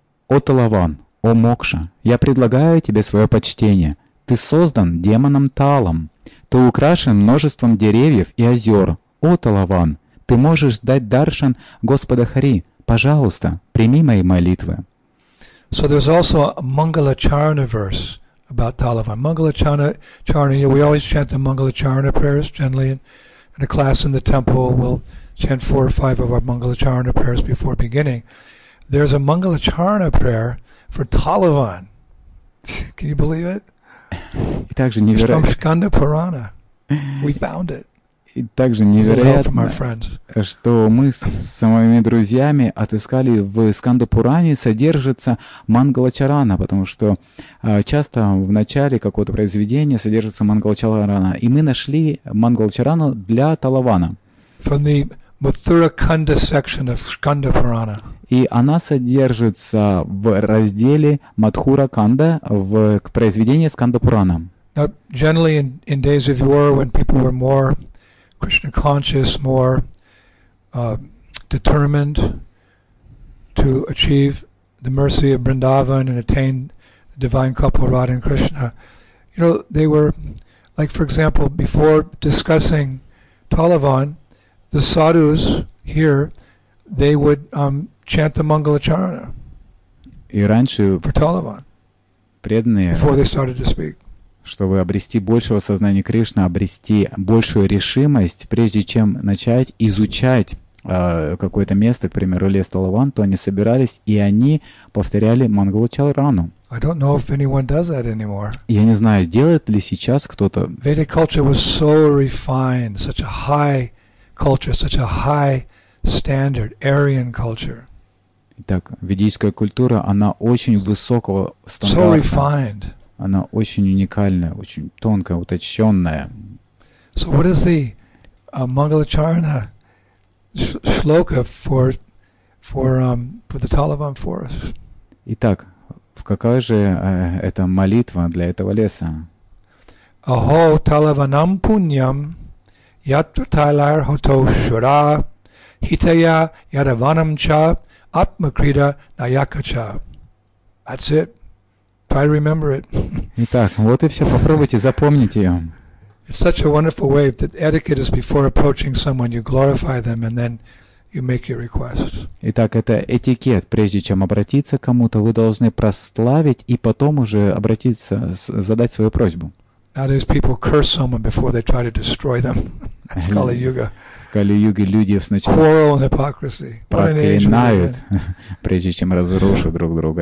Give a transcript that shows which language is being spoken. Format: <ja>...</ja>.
<ru>О Талаван, о Мокша, я предлагаю тебе свое почтение. Ты создан демоном Талом. Ты украшен множеством деревьев и озер. О Талаван, ты можешь дать даршан Господа Хари. Пожалуйста, прими мои молитвы.</ru> <en>So there's also a Mangala Charana verse about Talavan. Mangala Charana, you know, we always chant the Mangala Charana prayers generally in a class in the temple. We'll chant 4 or 5 of our Mangala Charana prayers before beginning. There's a Mangala Charana prayer for Talavan. Can you believe it?</en> <ru>И также невероятно.</ru> <en>From Skanda Purana. We found it.</en> <ru>И также невероятно, что мы с самими друзьями отыскали в Сканда Пуране содержится Мангала Чарана, потому что часто в начале какого-то произведения содержится Мангала Чарана. И мы нашли Мангала Чарану для Талавана.</ru> <en>From the Mathura Kanda section of Skanda Purana.</en> <ru>И она содержится в разделе Мадхура Канда в произведении Сканда Пурана.</ru> <en>Now, generally in days of yore, when people were more Krishna conscious, more determined to achieve the mercy of Vrindavan and attain the divine couple Radha and Krishna, you know, they were like, for example, before discussing Talavan, the sadhus here, they would chant the Mangala Charana for Talavan before they started to speak.</en> <ru>Чтобы обрести большего сознания Кришны, обрести большую решимость, прежде чем начать изучать какое-то место, к примеру, лес Талаван, то они собирались, и они повторяли Мангала Чарану.</ru> <en>I don't know if anyone does that anymore.</en> <ru>Я не знаю, делает ли сейчас кто-то.</ru> <en>Vedic culture was so refined, such a high culture, such a high standard, Aryan culture.</en> <ru>Итак, ведическая культура, она очень высокого стандарта.</ru> <en>So refined.</en> <ru>Она очень уникальная, очень тонкая, уточненная.</ru> <en>So what is the Mangala Charana shloka for the Talavan forest?</en> <ru>Итак, какая же эта молитва для этого леса?</ru> <sa>Aho Talavanam Punyam Yatra Thailar Hoto Shura Hitaya Yadavanam Cha Atmakrita Nayakacha.</sa> <en>That's it. Try to remember it.</en> <ru>Итак, вот и все. Попробуйте запомнить ее.</ru> <en>It's such a wonderful way that etiquette is before approaching someone, you glorify them and then you make your request.</en> <ru>Итак, это этикет. Прежде чем обратиться к кому-то, вы должны прославить и потом уже обратиться, задать свою просьбу.</ru> <en>Nowadays people curse someone before they try to destroy them. That's Kali Yuga.</en> <ru>Кали-юге люди сначала</ru> <en>quarrel and hypocrisy.</en> <ru>Проклинают, прежде чем разрушить друг друга.</ru>